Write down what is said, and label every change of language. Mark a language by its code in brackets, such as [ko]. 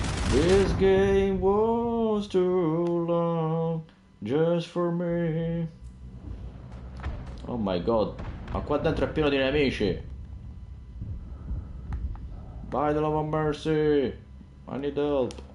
[en] This game was too long just for me. Oh my god, [it] ma qua dentro è pieno di nemici. [en] By the love of mercy, I need help.